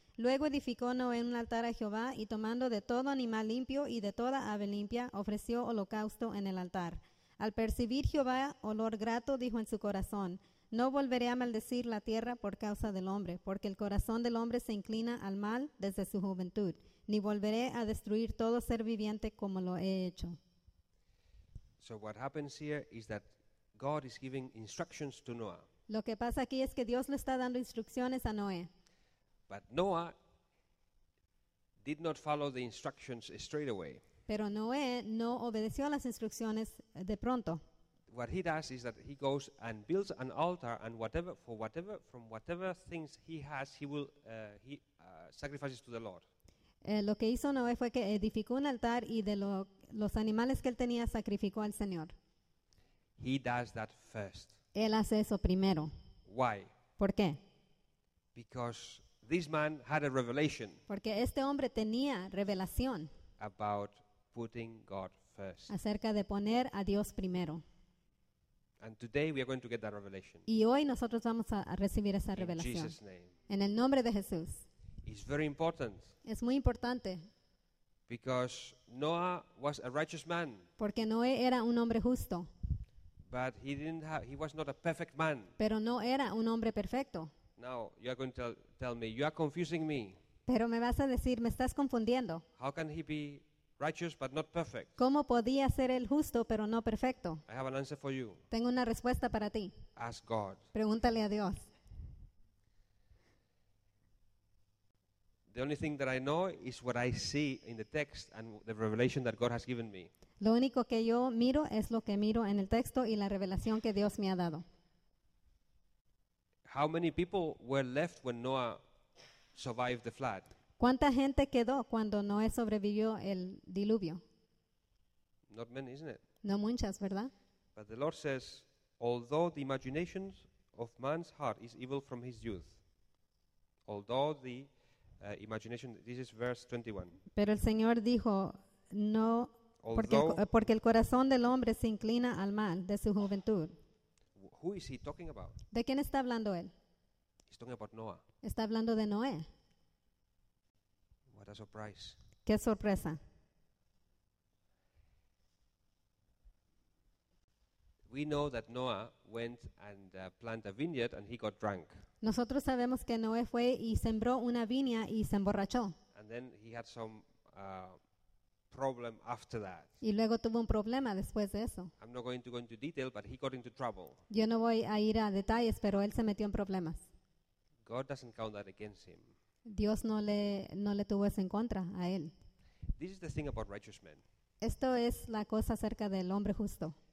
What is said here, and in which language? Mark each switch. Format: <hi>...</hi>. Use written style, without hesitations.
<es>Luego edificó Noé un altar a Jehová y tomando de todo animal limpio y de toda ave limpia, ofreció holocausto en el altar. Al percibir Jehová olor grato, dijo en su corazón, no volveré a maldecir la tierra por causa del hombre, porque el corazón del hombre se inclina al mal desde su juventud. Ni volveré a destruir todo ser viviente como lo he hecho.</es> <en>So what happens here is that God is giving instructions to Noah.</en> <es>Lo que pasa aquí es que Dios le está dando instrucciones a Noé.</es> <en>But Noah did not follow the instructions straight away.</en> <es>Pero Noé no obedeció las instrucciones de pronto.</es> <en>what he does is that he goes and builds an altar, and whatever for whatever from whatever things he has, he will sacrifices to the Lord.</en> <es>Lo que hizo Noé fue que edificó un altar y de los animales que él tenía sacrificó al Señor.</es> <en>He does that first.</en> <es>Él hace eso primero.</es> <en>Why?</en> <es>¿Por qué?</es> <en>Because this man had a revelation.</en> <es>Porque este hombre tenía revelación.</es> <en>About putting God first.</en> <es>Acerca de poner a Dios primero.</es> <en>And today we are going to get that revelation.</en> <es>Y hoy nosotros vamos a recibir esa revelación.</es> <en>In Jesus' name.</en> <es>En el nombre de Jesús.</es> <en>It's very important.</en> <es>Es muy importante.</es> <en>Because Noah was a righteous man.</en> <es>Porque Noé era un hombre justo.</es> <en>But he was not a perfect man.</en> <es>Pero no era un hombre perfecto.</es> <en>Now you are going to tell me, you are confusing me.</en> <es>Pero me vas a decir, me estás confundiendo.</es> <en>How can he be righteous but not perfect?</en> <es>¿Cómo podía ser él justo pero no perfecto?</es> <en>I have an answer for you.</en> <es>Tengo una respuesta para ti.</es> <en>Ask God.</en> <es>Pregúntale a Dios.</es> <en>The only thing that I know is what I see in the text and the revelation that God has given me.</en> <es>Lo único que yo miro es lo que miro en el texto y la revelación que Dios me ha dado.</es> <en>How many people were left when Noah survived the flood?</en> <es>¿Cuánta gente quedó cuando Noé sobrevivió el diluvio?</es> <en>Not many, isn't it?</en> <es>No muchas, ¿verdad?</es> <en>But the Lord says, although the imagination of man's heart is evil from his youth, although the imagination, this is verse 21.</en> <es>Pero el Señor dijo, no, porque el corazón del hombre se inclina al mal de su juventud.</es> <en>Who is he talking about?</en> <es>¿De quién está hablando él?</es> <en>He's talking about Noah.</en> <es>Está hablando de Noé.</es> <en>What a surprise.</en> <es>Qué sorpresa.</es> <en>We know that Noah went and planted a vineyard and he got drunk.</en> <es>Nosotros sabemos que Noé fue y sembró una viña y se emborrachó.</es> <en>And then he had some problem after that.</en> <es>Y luego tuvo un problema después de eso.</es> <en>I'm not going to go into detail, but he got into trouble.</en> <es>Yo no voy a ir a detalles, pero él se metió en problemas.</es> <en>God doesn't count that against him.</en> <es>Dios no le tuvo eso en contra a él.</es> <en>This is the thing about righteous men.</en> <es>Esto es la cosa acerca del hombre justo.</es>